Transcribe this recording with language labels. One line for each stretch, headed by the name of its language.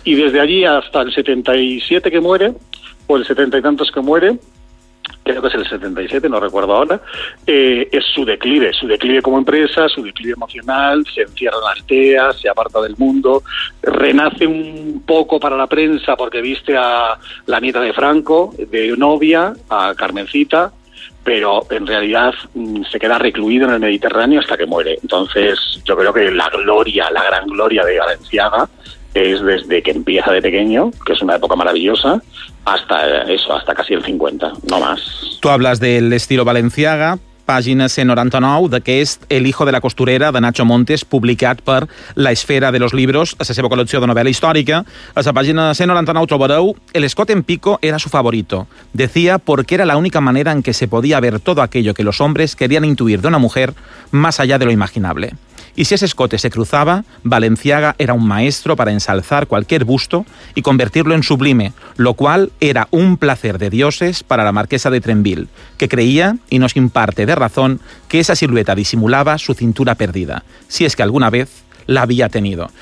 Spanish: Y desde allí hasta el 77 que muere, o el 70 y tantos que muere, creo que es el 77, no recuerdo ahora, es su declive como empresa, su declive emocional, se encierra en Altea, se aparta del mundo, renace un poco para la prensa porque viste a la nieta de Franco, de novia, a Carmencita, pero en realidad se queda recluido en el Mediterráneo hasta que muere. Entonces yo creo que la gran gloria de Valenciaga es desde que empieza de pequeño, que es una época maravillosa, hasta eso, hasta casi el 50, no más. Tú hablas del estilo Valenciaga,
Catalan: pàgines 99 d'aquest El hijo de la costurera de Nacho Montes, publicat per La Esfera de los Libros, a la seva col·lecció de novel·la històrica. A la pàgina 99 trobareu
Spanish: El escote en pico era su favorito. Decía porque era la única manera en que se podía ver todo aquello que los hombres querían intuir de una mujer más allá de lo imaginable. Y si ese escote se cruzaba, Balenciaga era un maestro para ensalzar cualquier busto y convertirlo en sublime, lo cual era un placer de dioses para la marquesa de Trenville, que creía, y nos imparte de razón, que esa silueta disimulaba su cintura perdida, si es que alguna vez la había tenido.